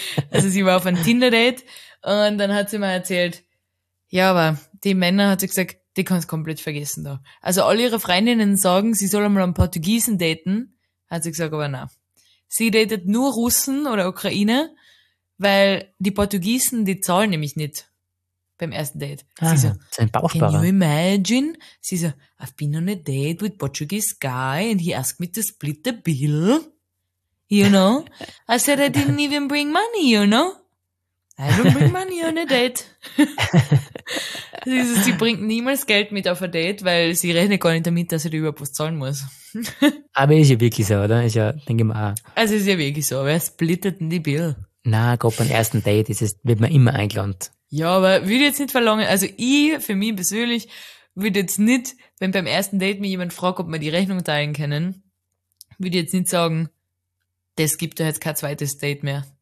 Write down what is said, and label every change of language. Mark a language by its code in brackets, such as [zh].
[de] Also sie war auf einem Tinder date und dann hat sie mir erzählt, ja, aber die Männer, hat sie gesagt, die kannst du komplett vergessen da. Also alle ihre Freundinnen sagen, sie soll einmal einen Portugiesen daten, hat sie gesagt, aber nein. Sie datet nur Russen oder Ukrainer, weil die Portugiesen, die zahlen nämlich nicht beim ersten Date. Sie so, sein Bauchsparer. [en] Can you imagine? [de] Sie so, [en] I've been on a date with Portuguese guy and he asked me to split the bill. You know? I said I didn't even bring money, you know? I don't bring money on a date. [de] Sie, sie bringt niemals Geld mit auf ein Date, weil sie rechnet gar nicht damit, dass sie dir überhaupt was zahlen muss. Aber ist ja wirklich so, oder? Ist ja, denke ich mal auch. Also ist ja wirklich so, wer splittet denn die Bill? Nein, gerade beim ersten Date ist es, wird man immer eingeladen. Ja, aber würde jetzt nicht verlangen, also ich, für mich persönlich, würde jetzt nicht, wenn beim ersten Date mich jemand fragt, ob wir die Rechnung teilen können, würde jetzt nicht sagen, das gibt doch jetzt kein zweites Date mehr.